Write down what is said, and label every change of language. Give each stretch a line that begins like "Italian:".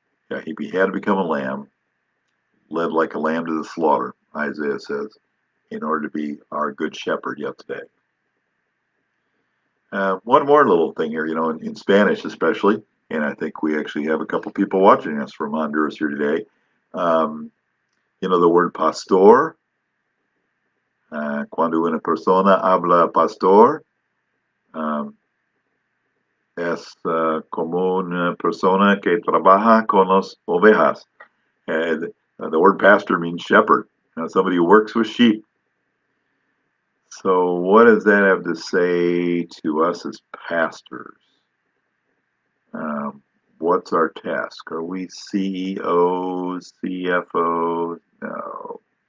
English: Yeah, he had to become a lamb, led like a lamb to the slaughter, Isaiah says, in order to be our good shepherd yet today. One more little thing here, you know, in Spanish especially, and I think we actually have a couple people watching us from Honduras here today. You know the word pastor?
Spanish: Cuando una persona habla pastor, es como una persona que trabaja con las ovejas.
English: The word pastor means shepherd, somebody who works with sheep. So, what does that have to say to us as pastors? What's our task? Are we CEOs, CFOs? No.